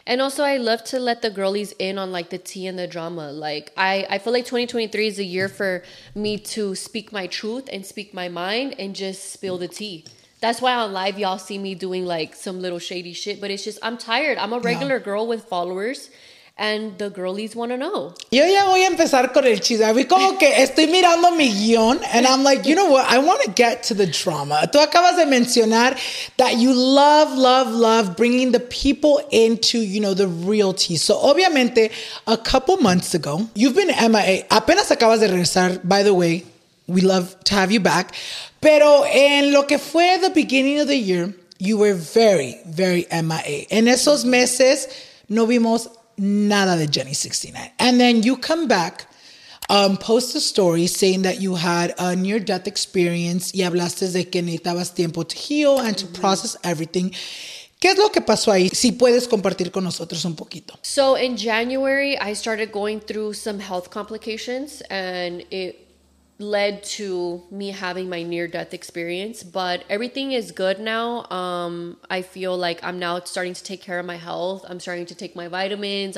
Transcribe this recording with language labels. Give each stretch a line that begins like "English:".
English: And also, I love to let the girlies in on like the tea and the drama. Like, I feel like 2023 is a year for me to speak my truth and speak my mind and just spill the tea. That's why on live y'all see me doing like some little shady shit, but it's just I'm tired. I'm a regular girl with followers and the girlies want to know.
Spanish: Yo ya voy a empezar con el chisme. Vi como que estoy mirando mi guión
English: and I'm like, you know what? I want to get to the drama.
Spanish: Tú acabas de mencionar
English: that you love, love, love bringing the people into, you know, the real tea. So obviamente, a couple months ago, you've been MIA.
Spanish: Apenas acabas de regresar,
English: by the way. We love to have you back.
Spanish: Pero en lo que fue
English: the beginning of the year, you were very, very MIA.
Spanish: En esos meses, no vimos nada de Jenny 69.
English: And then you come back, post a story saying that you had a near-death experience
Spanish: y hablaste de que necesitabas tiempo
English: to heal and to process everything.
Spanish: ¿Qué es lo que pasó ahí? Si puedes compartir con nosotros un poquito.
English: So in January, I started going through some health complications and it led to me having my near-death experience, but everything is good now. I feel like I'm now starting to take care of my health. I'm starting to take my vitamins.